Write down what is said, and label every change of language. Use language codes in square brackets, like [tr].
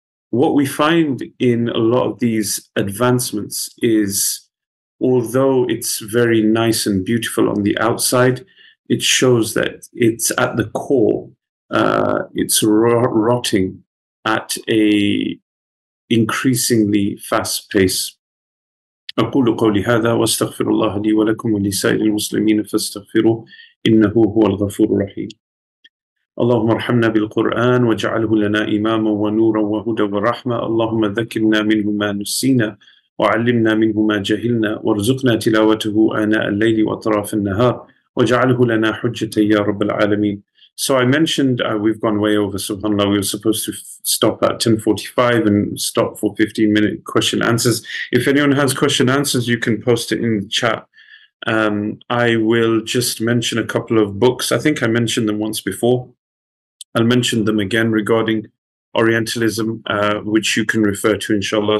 [en] What we find in a lot of these advancements is, although it's very nice and beautiful on the outside, it shows that it's at the core, it's rotting at a increasingly fast pace. [ar] أقول قولي هذا واستغفر الله لي ولكم ولسائر المسلمين فاستغفروا إنه هو الغفور الرحيم. اللهم ارحمنا بالقرآن واجعله لنا إماما ونورا وهدى ورحمة. اللهم ذكرنا منه ما نسينا وعلمنا منه ما جهلنا وارزقنا تلاوته آناء الليل وأطراف النهار واجعله لنا حجة يا رب العالمين. [en] So I mentioned we've gone way over, subhanAllah. We were supposed to stop at 10:45 and stop for 15-minute question answers. If anyone has question answers, you can post it in the chat. I will just mention a couple of books. I think I mentioned them once before. I'll mention them again regarding Orientalism, which you can refer to, inshallah.